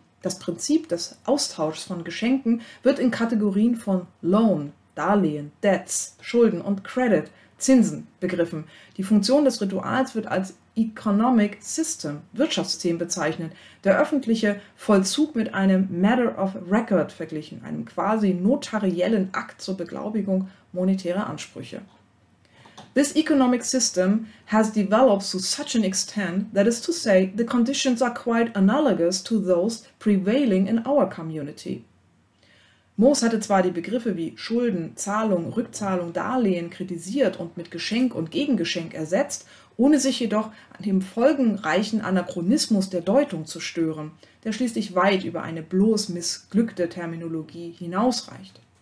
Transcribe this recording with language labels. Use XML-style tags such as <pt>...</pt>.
<de>Das Prinzip des Austauschs von Geschenken wird in Kategorien von Loan, Darlehen, Debts, Schulden und Credit, Zinsen, begriffen. Die Funktion des Rituals wird als Economic System, Wirtschaftssystem bezeichnet, der öffentliche Vollzug mit einem Matter of Record verglichen, einem quasi notariellen Akt zur Beglaubigung monetärer Ansprüche.</de> <en>This economic system has developed to such an extent, that is to say, the conditions are quite analogous to those prevailing in our community.</en> <de>Moos hatte zwar die Begriffe wie Schulden, Zahlung, Rückzahlung, Darlehen kritisiert und mit Geschenk und Gegengeschenk ersetzt, ohne sich jedoch an dem folgenreichen Anachronismus der Deutung zu stören, der schließlich weit über eine bloß missglückte Terminologie hinausreicht.</de>